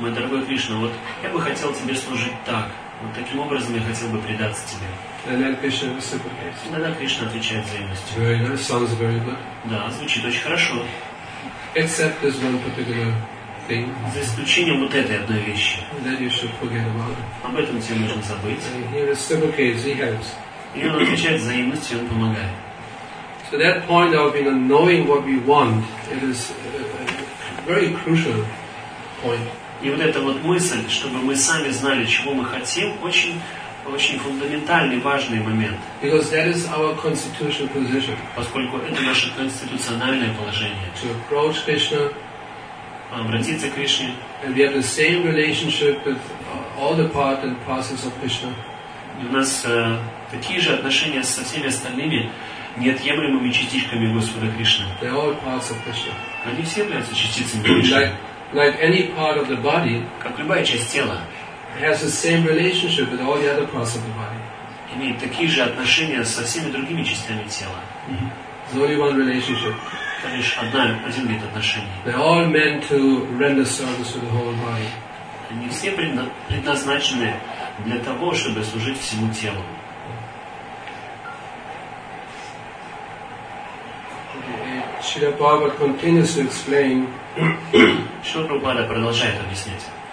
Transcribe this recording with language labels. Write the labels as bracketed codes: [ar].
[ru] Мой дорогой Кришна, вот я бы хотел тебе служить так. Вот таким образом я хотел бы предаться тебе. [en] And then Krishna reciprocates. [ru] Иногда Кришна отвечает взаимностью. [en] Very nice. Sounds very good. [ru] Да, звучит очень хорошо. [en] Except this one particular thing. [ru] За исключением вот этой одной вещи. [en] That you should forget about. [ru] Об этом тебе нужно забыть. [en] He reciprocates. He helps. [ru] И он отвечает взаимностью, он помогает. [en] So that point of knowing what we want, it is a very crucial point. [ru] И вот эта вот мысль, чтобы мы сами знали, чего мы хотим, очень, очень фундаментальный, важный момент. [en] Because that is our constitutional position. [ru] Поскольку это наше конституциональное положение. [en] To approach Krishna. [ru] Обратиться к Кришне. [en] And we have the same relationship with all the part and process of Krishna. [ru] И у нас такие же отношения со всеми остальными неотъемлемыми частичками Господа Кришны. [en] They are all parts of Krishna. [ru] Они все являются частицами Кришны. [en] Like any part of the body, [ru] как любая часть тела, [en] has the same relationship with all the other parts of the body. [ru] Имеет такие же отношения со всеми другими частями тела. [en] Mm-hmm. It's only one relationship. [ru] Это лишь одна, один вид отношений. [en] They are all meant to render service to the whole body. [ru] Они все предназначены для того, чтобы служить всему телу. [en] Шрила Прабхупада continues to explain. [ru] Шрила Прабхупада продолжает объяснять.